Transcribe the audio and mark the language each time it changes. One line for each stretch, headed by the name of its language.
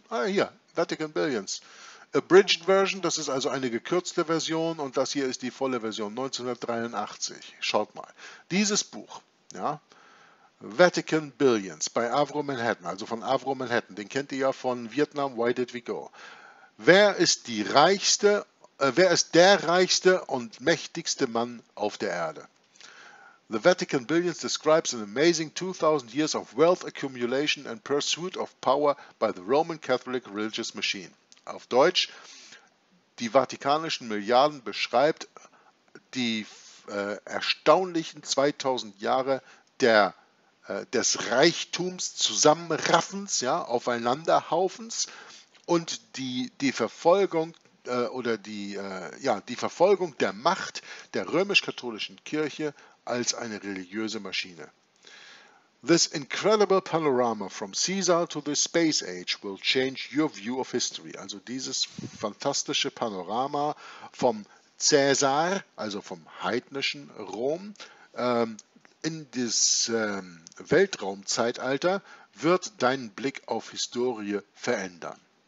German: Ah, hier, Vatican Billions. Abridged Version, das ist also eine gekürzte Version und das hier ist die volle Version 1983. Schaut mal. Dieses Buch, ja, Vatican Billions bei Avro Manhattan, also von Avro Manhattan, den kennt ihr ja von Vietnam, Why Did We Go? Wer ist der reichste und mächtigste Mann auf der Erde?
English: The Vatican Billions describes an amazing 2000 years of wealth accumulation and pursuit of power by the Roman Catholic religious machine.
German: Auf Deutsch, die vatikanischen Milliarden beschreibt die erstaunlichen 2000 Jahre des Reichtums zusammenraffens, ja, aufeinanderhaufens und die Verfolgung oder die Verfolgung der Macht der römisch-katholischen Kirche als eine religiöse Maschine.
English: This incredible panorama from Caesar to the Space Age will change your view of history.
German: Also dieses fantastische Panorama vom Caesar, also vom heidnischen Rom, in das Weltraumzeitalter wird deinen Blick auf Historie verändern.